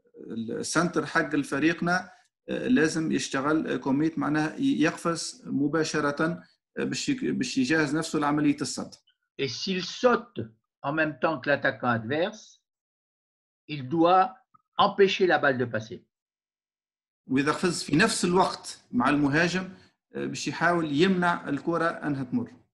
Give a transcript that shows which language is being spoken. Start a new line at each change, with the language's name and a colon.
Arabic: السنتر حق الفريقنا لازم يشتغل كوميت معناها يقفز مباشرة باش يجهز نفسه لعملية الصد.
French: Et s'il saute en même temps que l'attaquant adverse, il doit empêcher la balle de passer.
Arabic: وإذا قفز في نفس الوقت مع المهاجم باش يحاول يمنع الكرة أنها تمر.